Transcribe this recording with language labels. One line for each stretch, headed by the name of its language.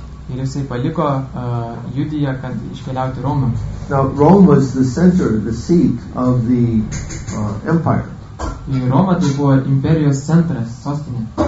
Lithuanian: Ir jisai paliko Judiją, kad iškeliauti Romą.
English: Now, Rome was the center, the seat of the empire.
Lithuanian: Ir Roma tai buvo imperijos centras, sostinė.